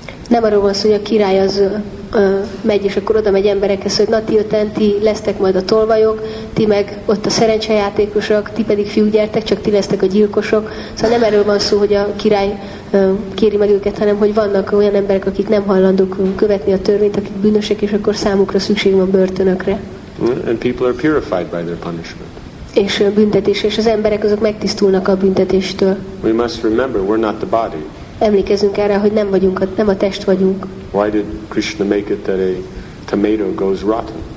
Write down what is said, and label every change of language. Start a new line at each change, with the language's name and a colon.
Hungarian: Nem arról van szó, hogy a király az megy, és akkor oda megy emberekhez, hogy na ti öten, ti lesztek majd a tolvajok, ti meg ott a szerencsejátékosok, ti pedig fiúk gyertek, csak ti lesztek a gyilkosok. Szóval nem erről van szó, hogy a király kéri meg őket, hanem hogy vannak olyan emberek, akik nem hajlandók követni a törvényt, akik bűnösek, és akkor számukra szükség van börtönökre.
English: And people are purified by their punishment.
Hungarian: És büntetés, és az emberek azok megtisztulnak a büntetéstől.
English: We must remember, we're not the body.
Hungarian: Emlékezzünk erre, hogy nem vagyunk, nem a test vagyunk.
English: Why did Krishna make it that a tomato goes rotten?